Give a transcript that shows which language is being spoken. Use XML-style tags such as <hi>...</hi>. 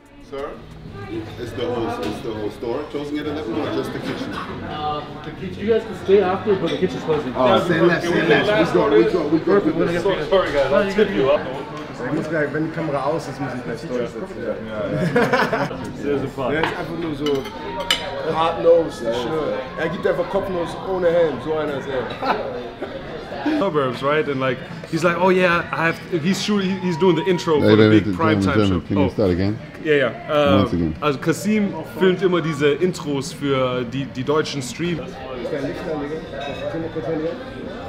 <en>Sir, it's the whole store closing at 11 or just the kitchen? The kitchen, you guys can stay after, but the kitchen's closing. Oh, say less. We go. Perfect. Sorry, guys. I'll tip you up.</en> <de>Ich muss gleich, wenn die Kamera aus ist, muss ich gleich Steuer setzen. Ja. Sehr sympathisch. Der ist einfach nur so hard nose, ja, schön. Er gibt einfach Kopfnuss ohne Helm, so einer ist er.</de> <en>Suburbs, right? And like, he's like, oh yeah, I have. He's doing the intro for the big primetime show. Can you start again? Yeah, yeah.</en> <de>Also Kasim filmt immer diese Intros für die deutschen Streams. Ist der Lichter, Digga? Können wir kurz hier?</de>